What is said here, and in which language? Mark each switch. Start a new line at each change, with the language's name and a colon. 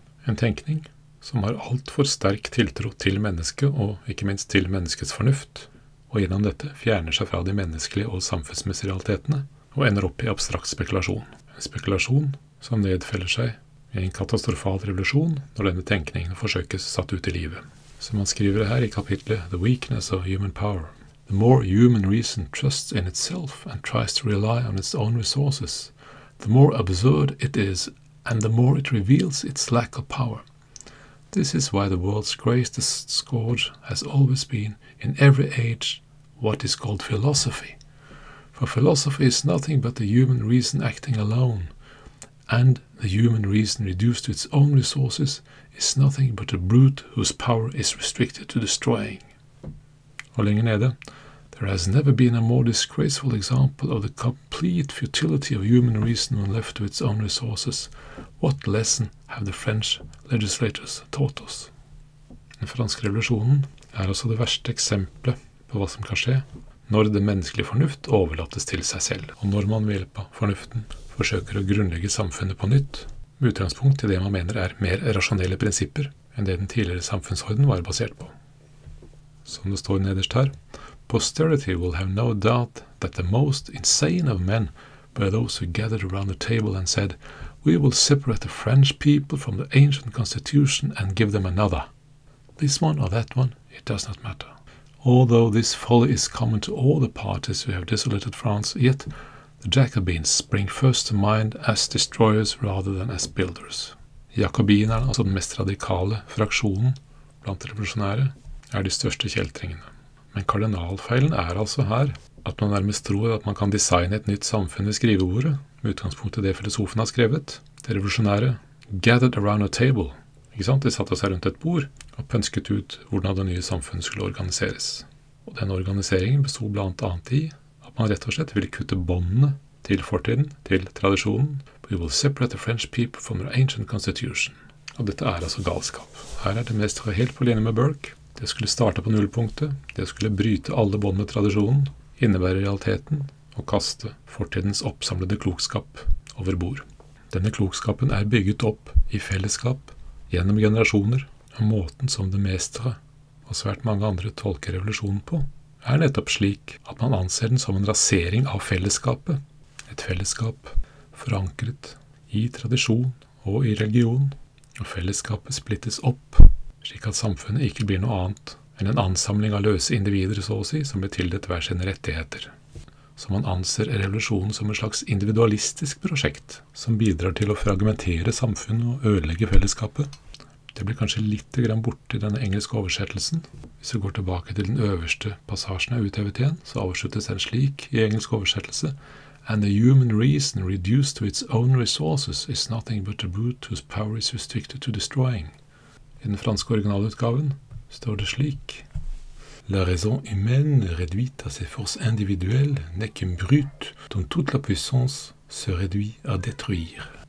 Norwegian: En tenkning som har alt for sterk tiltro til mennesket, og ikke minst til menneskets fornuft, og gjennom dette fjerner seg fra de menneskelige og samfunnsmessige realitetene, og ender opp i abstrakt spekulasjon. En spekulasjon som nedfeller seg i en katastrofal revolusjon når denne tenkningen forsøkes satt ut i livet. Som han skriver her i kapitlet The Weakness of Human Power.
English: The more human reason trusts in itself and tries to rely on its own resources, the more absurd it is, and the more it reveals its lack of power. This is why the world's greatest scourge has always been, in every age, what is called philosophy. For philosophy is nothing but the human reason acting alone, and the human reason reduced to its own resources is nothing but a brute whose power is restricted to destroying.
Norwegian: Og lenger nede,
English: there has never been a more disgraceful example of the complete futility of human reason when left to its own resources. What lesson have the French legislators taught us?
Norwegian: Den franske revolusjonen er altså det verste eksempelet på hva som kan skje når det menneskelige fornuft overlates til seg selv, og når man ved hjelp av fornuften forsøker å grunnlegge samfunnet på nytt, med utgangspunkt i det man mener er mer rasjonelle prinsipper enn det den tidligere samfunnsorden var basert på. Som det står nederst her,
English: posterity will have no doubt that the most insane of men were those who gathered around the table and said, we will separate the French people from the ancient constitution and give them another. This one or that one, it does not matter. Although this folly is common to all the parties who have desolated France, yet the Jacobins spring first to mind as destroyers rather than as builders.
Norwegian: Jacobinerne, altså den mest radikale fraksjonen blant revolusjonære, de største kjeltringene. Men kardinalfeilen altså her at man nærmest tror at man kan designe et nytt samfunn ved skrivebordet, med utgangspunkt i det filosofen har skrevet, det revolusjonære,
English: gathered around a table.
Norwegian: Ikke sant? De satte seg rundt et bord og pønsket ut hvordan det nye samfunnet skulle organiseres. Og den organiseringen bestod blant annet i at man rett og slett ville kutte båndene til fortiden, til tradisjonen.
English: We will separate the French people from their ancient constitution.
Norwegian: Og dette altså galskap. Her det mest helt på linje med Burke. Det skulle starte på nullpunktet. Det skulle bryte alle bånd med tradisjonen, innebære realiteten og kaste fortidens oppsamlede klokskap over bord. Denne klokskapen bygget opp i fellesskap, gjennom generasjoner, og måten som det meste og svært mange andre tolker revolusjonen på, nettopp slik at man anser den som en rasering av fellesskapet. Et fellesskap forankret i tradisjon og i religion, og fellesskapet splittes opp, slik at samfunnet ikke blir noe annet enn en ansamling av løse individer, så å si, som blir tildelt hver sine rettigheter. Så man anser revolusjonen som en slags individualistisk prosjekt, som bidrar til å fragmentere samfunnet og ødelegge fellesskapet. Det blir kanskje litt borte i denne engelske oversettelsen. Hvis vi går tilbake til den øverste passasjen av uthevet igjen, så avsluttes den slik i engelsk oversettelse.
English: And the human reason reduced to its own resources is nothing but a brute whose power is restricted to destroying.
Norwegian: I den franske originalutgaven står det slik.
French: La raison humaine réduite à ses forces individuelles n'est qu'un brut dont toute la puissance se réduit à détruire.